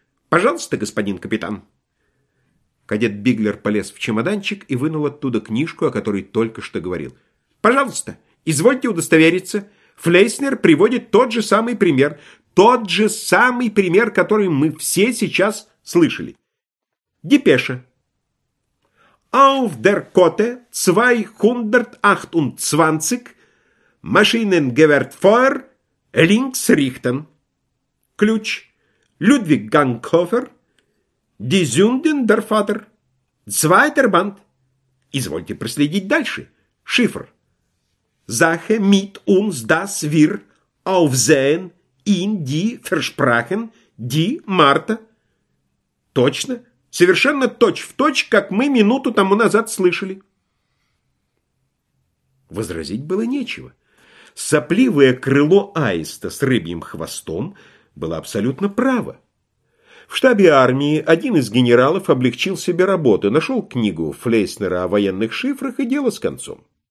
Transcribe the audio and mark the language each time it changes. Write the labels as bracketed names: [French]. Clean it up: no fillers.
[Russian] Пожалуйста, господин капитан. Кадет Биглер полез в чемоданчик и вынул оттуда книжку, о которой только что говорил. «Пожалуйста, извольте удостовериться. Флейснер приводит тот же самый пример, который мы все сейчас слышали. Депеша. [German] Auf der Kotte 228 Maschinengewehrfeuer links richten. [Russian] Ключ. [German] Людвиг Ганкхофер. Die Sünden der Vater. Zweiter Band. [Russian] Извольте проследить дальше. Шифр. [German] Sache mit uns, dass wir aufsehen in die Versprachen, die Marta. [Russian] Точно, совершенно точь-в-точь, как мы минуту тому назад слышали. Возразить было нечего. Сопливое крыло аиста с рыбьим хвостом было абсолютно право. В штабе армии один из генералов облегчил себе работу, нашел книгу Флейснера о военных шифрах и дело с концом.